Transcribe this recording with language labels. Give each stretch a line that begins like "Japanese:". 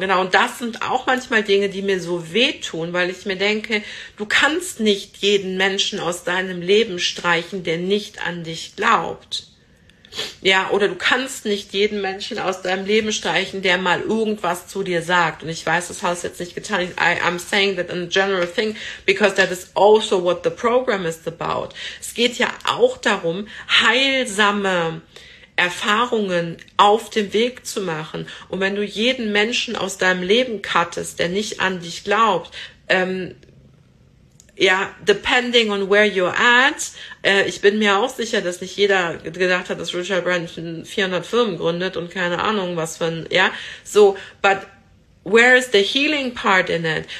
German: Genau, und das sind auch manchmal Dinge, die mir so wehtun, weil ich mir denke, du kannst nicht jeden Menschen aus deinem Leben streichen, der nicht an dich glaubt. Ja, oder du kannst nicht jeden Menschen aus deinem Leben streichen, der mal irgendwas zu dir sagt. Und ich weiß, das hast du jetzt nicht getan.
English: I'm saying that in a general thing, because that is also what the program is about.
German: Es geht ja auch darum, heilsame Erfahrungen auf dem Weg zu machen. Und wenn du jeden Menschen aus deinem Leben cuttest, der nicht an dich glaubt, ja,
English: depending on where you're at,
German: ich bin mir auch sicher, dass nicht jeder gedacht hat, dass Richard Branson 400 Firmen gründet und keine Ahnung was für ein, ja, so,
English: but where is the healing part in it?